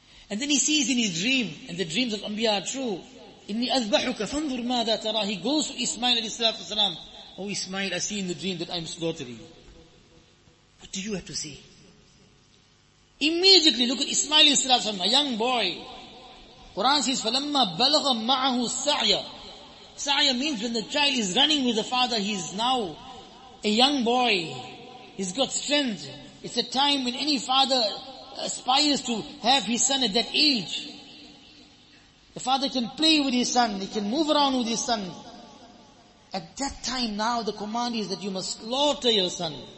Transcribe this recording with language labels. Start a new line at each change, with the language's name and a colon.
English: And then he sees in his dream, and the dreams of Anbiya are true,
Arabic: إِنِّي أَذْبَحُكَ فَانْظُرْ مَاذَا تَرَى.
English: He goes to Ismail alayhi salatu wasalam. Oh Ismail, I see in the dream that I am slaughtering you. What do you have to say? Immediately, look at Ismail alayhi salatu wasalam, a young boy. Quran says,
Arabic: فَلَمَّا بَلَغَ مَعَهُ السَّعْيَ.
English: Sa'ya means when the child is running with the father, he is now a young boy. He's got strength. It's a time when any father aspires to have his son at that age. The father can play with his son. He can move around with his son. At that time now, the command is that you must slaughter your son.